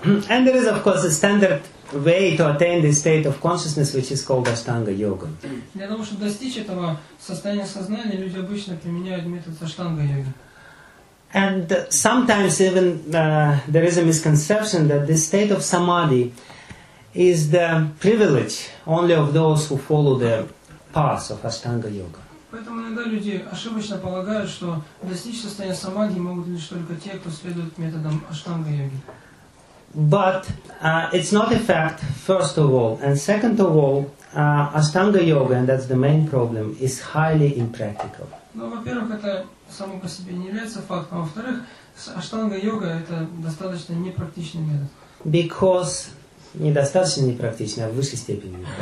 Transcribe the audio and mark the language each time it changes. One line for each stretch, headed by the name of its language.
English: And there is, of course, a standard way to attain this state of consciousness, which is called Ashtanga Yoga.
Russian: Для того, чтобы достичь этого состояния сознания, люди обычно применяют метод Ashtanga Yoga.
English: And sometimes even there is a misconception that this state of samadhi is the privilege only of those who follow the path of Ashtanga Yoga.
Russian: Поэтому иногда люди ошибочно полагают, что достичь состояния самадхи могут лишь только те, кто следует методам Ashtanga Yoga.
English: But it's not a fact, first of all. And second of all, Ashtanga Yoga, and that's the main problem, is highly impractical.
Russian: Ну, во-первых, это само по себе не является фактом. Во-вторых, Ashtanga Yoga это достаточно непрактичный метод.
English: Because
Russian: недостаточно непрактично, а в высшей степени.